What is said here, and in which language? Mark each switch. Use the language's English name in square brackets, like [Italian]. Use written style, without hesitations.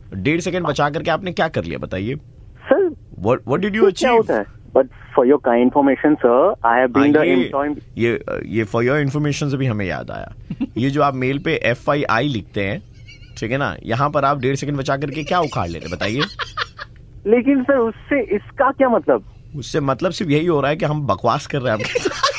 [Hindi] 1.5 second बचा करके आपने क्या कर लिया बताइए sir? [English] What did you achieve? [Hindi] क्या होता है? [English] But for your kind information sir, I have been the employee. [Hindi] ये [English] for your information [Hindi] से भी हमें याद आया। ये जो आप मेल पे FYI लिखते हैं, ठीक है ना, यहाँ पर आप 1.5 सेकंड बचा करके क्या उखाड़ लेते बताइए? लेकिन सर उससे इसका क्या मतलब? उससे मतलब सिर्फ यही हो रहा है कि हम बकवास कर रहे हैं।